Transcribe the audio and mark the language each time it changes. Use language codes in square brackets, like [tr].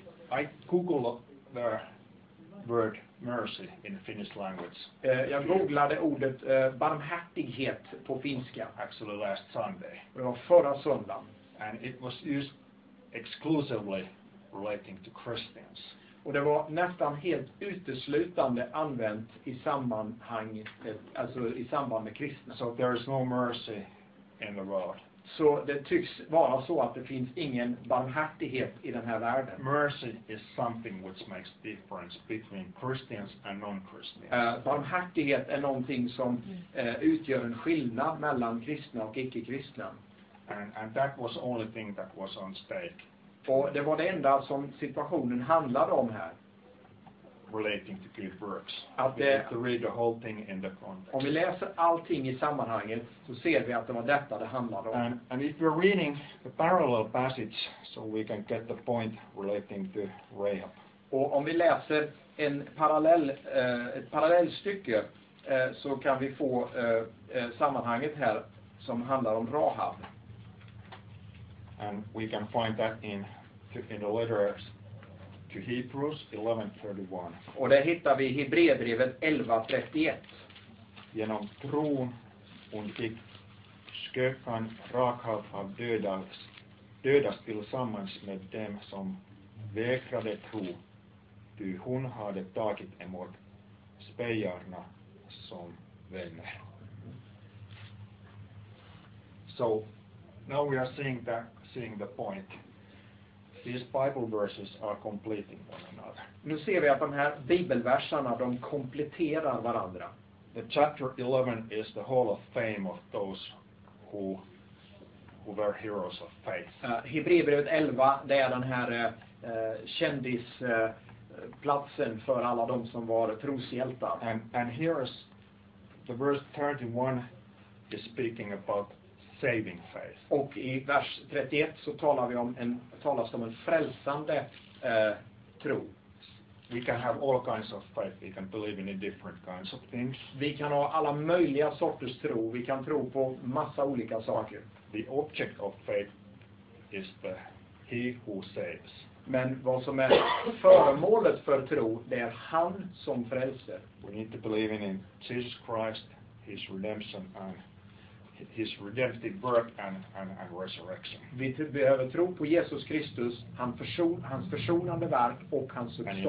[en] I googled the word mercy in Finnish language. [sv] Jag googlade ordet barmhärtighet på finska. [en] Actually last Sunday. [sv] Det var förra söndagen. [en] And it was used exclusively relating to Christians. [sv] Och det var nästan helt uteslutande använt i sammanhang, alltså i samband med kristna. [en] So there is no mercy in the world. [sv] Så det tycks vara så att det finns ingen barmhärtighet i den här världen. [en] Mercy is something which makes difference between Christians and non-Christians. [sv] Barmhärtighet är någonting som utgör en skillnad mellan kristna och icke-kristna. [en] And that was the only thing that was on stake. [sv] Och det var det enda som situationen handlade om här. [en] Relating to good works. [sv] Att [en] we have to read the whole thing in the context. [sv] Om vi läser allting i sammanhanget så ser vi att det var detta det handlade om. [en] And if we're reading the parallel passage so we can get the point relating to Rahab. [sv] Och om vi läser en parallellstycke så kan vi få sammanhanget här som handlar om Rahab. [en] And we can find that in the letter to Hebrews 11:31. [sv] Och där hittar vi Hebreerbrevet 11:31. Genom tron hon fick skökan Rahab av dödas tillsammans med dem som vägrade tro, ty hon hade tagit emot spejarna som vänner. [en] So now we are seeing the point. These Bible verses are completing one another. [sv] Nu ser vi att de här bibelverserna, de kompletterar varandra. [en] The chapter 11 is the hall of fame of those who were heroes of faith. [sv] Hebreerbrevet 11, det är den här kändisplatsen för alla de som var troshjältar. [en] And here is the verse 31 is speaking about saving faith. [sv] Och i vers 31 så talas om en frälsande tro. [en] We can have all kinds of faith. We can believe in different kinds of things. [sv] Vi kan ha alla möjliga sorters tro. Vi kan tro på massa olika saker. [en] The object of faith is the he who saves. [sv] Men vad som är föremålet för tro, det är han som frälser. [en] We need to believe in Jesus Christ, his redemption and his redemptive birth and resurrection. [sv] Vi behöver tro på Jesus Kristus, hans försonande verk och hans uppståndelse.